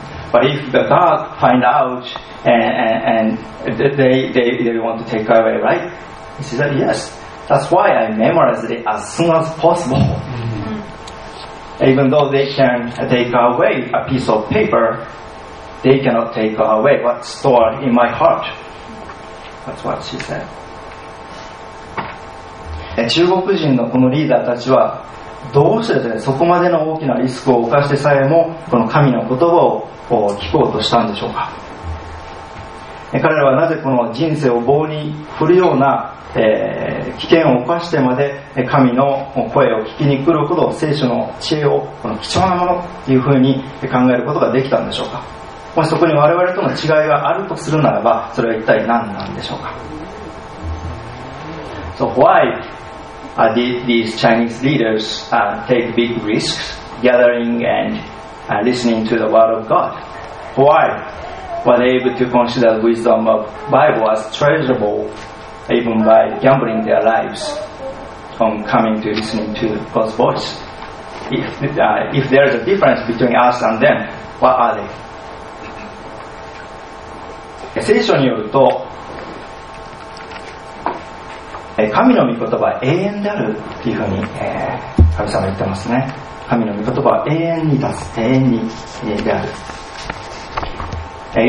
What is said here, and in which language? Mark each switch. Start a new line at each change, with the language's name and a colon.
English: But if the guard find out and they want to take her away, right? She said, yes. That's why I memorized it as soon as possible. Mm-hmm. Even though they can take away a piece of paper, they cannot take away what's stored in my heart. That's what she said.
Japanese: 中国人のこのリーダーたちはどうしてですね、そこまでの大きなリスクを犯してさえもこの神の言葉を聞こうとしたんでしょうか。彼らはなぜこの人生を棒に振るような、危険を犯してまで神の声を聞きに来るほど聖書の知恵をこの貴重なものというふうに考えることができたんでしょうか。もしそこに我々との違いがあるとするならば、それは一体何なんでしょうか。
English: So whyDid these Chinese leaders take big risks gathering and listening to the word of God? Why were they able to consider the wisdom of the Bible as treasurable even by gambling their lives on coming to listening to God's voice? If there is a difference between us and them, what are they?
Japanese: 聖書によると神の御言葉は永遠であるというふうに神様言ってますね。神の御言葉は永遠に出す、永遠にである。